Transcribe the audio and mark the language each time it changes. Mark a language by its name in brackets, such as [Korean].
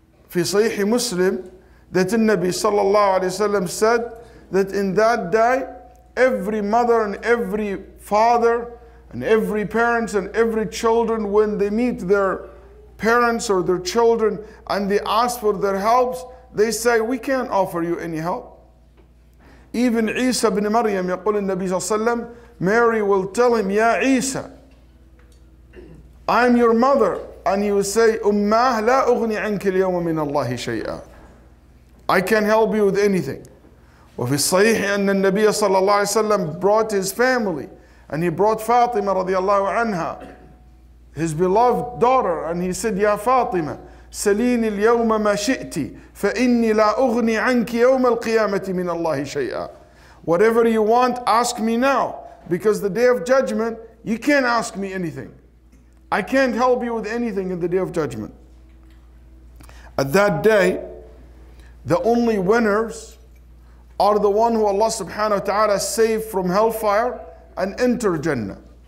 [Arabic] في صحيح مسلم [English] that the Nabi sallallahu alayhi wa sallam said that in that day every mother and every father and every parents and every children, when they meet their parents or their children and they ask for their help, they say, we can't offer you any help. Even Isa ibn Maryam, [Arabic] يقول النبي صلى الله عليه وسلم, [English] Mary will tell him, [Arabic] يا عيسى, [English] I'm your mother. And he will say, [Arabic] أمه لا أغني عنك اليوم من الله شيئا. [English] I can't help you with anything. [Arabic] وفي الصحيح أن النبي صلى الله عليه وسلم [English] brought his family, and he brought Fatima رضي الله عنها, his beloved daughter, and he said, [Arabic] يا فاطمة, سلين اليوم ما شئتي فإني لا أغني عنك يوم القيامة من الله شيئا. [English] Whatever you want, ask me now, because the day of judgment, you can't ask me anything. I can't help you with anything in the day of judgment. At that day, the only winners are the one who Allah subhanahu wa ta'ala saved from hellfire and enter Jannah.